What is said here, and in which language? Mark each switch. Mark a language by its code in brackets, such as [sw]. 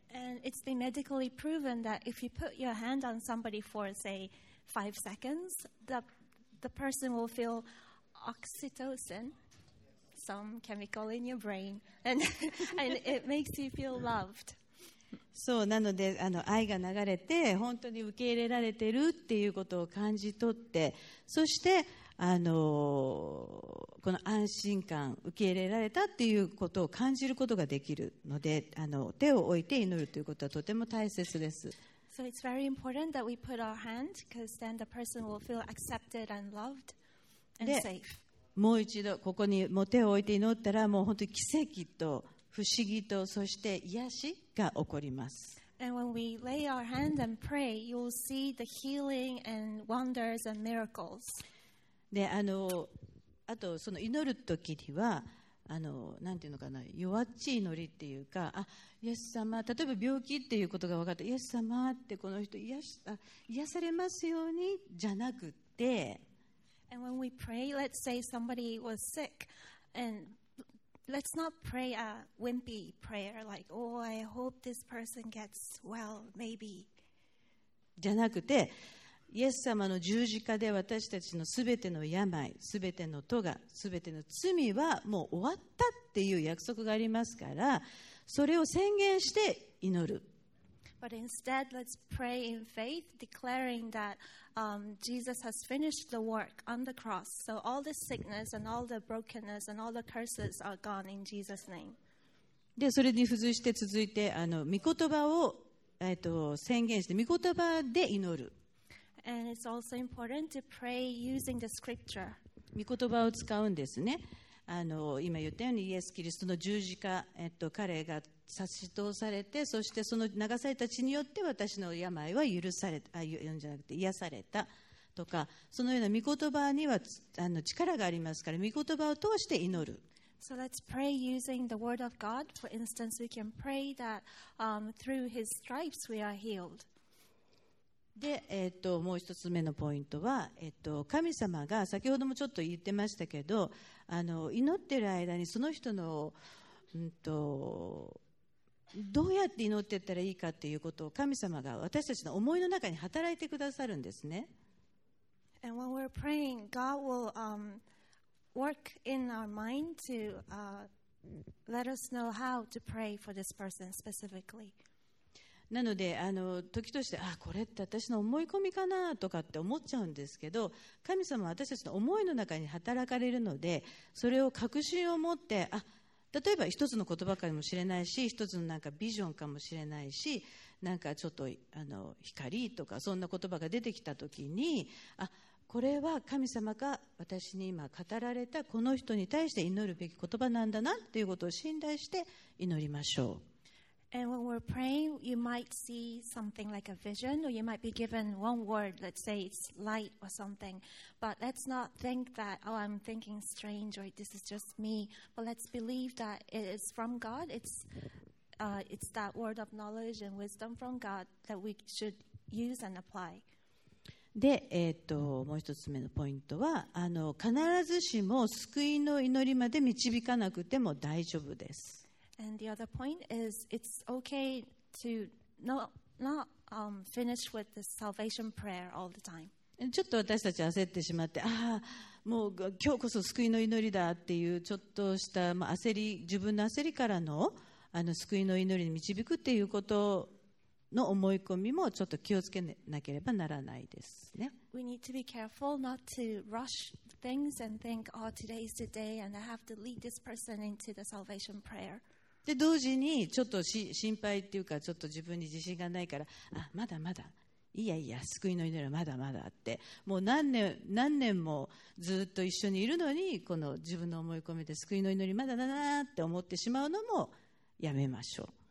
[en] And it's been medically proven that if you put your hand on somebody for, say, 5 seconds, the person will feel oxytocin, some chemical in your brain, and it makes you feel loved. [ja] そうなので、愛が流れて本当に受け入れられてるっていうことを感じ取って、そしてこの安心感、受け入れられたっていうことを感じることができるので、手を置いて祈るということはとても大切です。 [en] So it's very important that we put our hand, because then the person will feel accepted and loved and safe. [ja] もう一度ここに手を置いて祈ったらもう本当に奇跡と不思議とそして癒しが起こります。 [en] And when we lay our hand and pray, you'll see the healing and wonders and miracles. [ja] で、あとその祈る時には、なんていうのかな、弱っちい祈りっていうか、あ、イエス様、例えば病気っていうことが分かった、イエス様ってこの人癒されますようにじゃなくて、 [en] And when we pray, let's say somebody was sick, andLet's not pray a wimpy prayer like, oh, I hope this person gets well, maybe. [ja] じゃなくて、イエス様の十字架で私たちのすべての病、すべての咎、すべての罪はもう終わったっていう約束がありますから、それを宣言して祈る。 [en] But instead, let's pray in faith, declaring that Jesus has finished the work on the cross. So all the sickness and all the brokenness and all the curses are gone in Jesus' name. [ja] で、それに付随して続いて、御言葉を、宣言して、御言葉で祈る。 [en] And it's also important to pray using the scripture. [ja] 御言葉を使うんですね。今言ったようにイエス・キリストの十字架、彼が差し通されて、そしてその流された血によって私の病は許されたあんじゃなくて癒されたとか、そのような御言葉には力がありますから御言葉を通して祈る。 [en] So let's pray using the word of God. For instance, we can pray that through his stripes we are healed. [ja] で、もう一つ目のポイントは、神様が先ほどもちょっと言ってましたけど、祈ってる間にその人のどうやって祈っていったらいいかっていうことを神様が私たちの思いの中に働いてくださるんですね。 [en] And when we're praying, God will work in our mind to let us know how to pray for this person specifically. [ja] なので時としてこれって私の思い込みかなとかって思っちゃうんですけど、神様は私たちの思いの中に働かれるので、それを確信を持って、例えば一つの言葉かもしれないし、一つのなんかビジョンかもしれないし、なんかちょっと光とかそんな言葉が出てきたときに、これは神様が私に今語られたこの人に対して祈るべき言葉なんだなっていうことを信頼して祈りましょう。 [en] And when we're praying, you might see something like a vision, or you might be given one word, let's say it's light or something. But let's not think that, oh, I'm thinking strange, or this is just me. But let's believe that it is from God. It's that word of knowledge and wisdom from God that we should use and apply. [ja] で、もう一つ目のポイントは、必ずしも救いの祈りまで導かなくても大丈夫です。 [en] And the other point is, it's okay to not finish with the salvation prayer all the time. [ja] ちょっと私たち焦ってしまって、もう今日こそ救いの祈りだっていうちょっとした焦り、自分の焦りから の救いの祈りに導くっていうことの思い込みもちょっと気をつけなければならないですね。 [en] We need to be careful not to rush things and think, oh, today is the day and I have to lead this person into the salvation prayer. [ja] で同時にちょっと心配っていうか、ちょっと自分に自信がないから、まだまだいやいや救いの祈りはまだまだって、もう何年もずっと一緒にいるのに、この自分の思い込みで救いの祈りまだだなって思ってしまうのもやめましょう。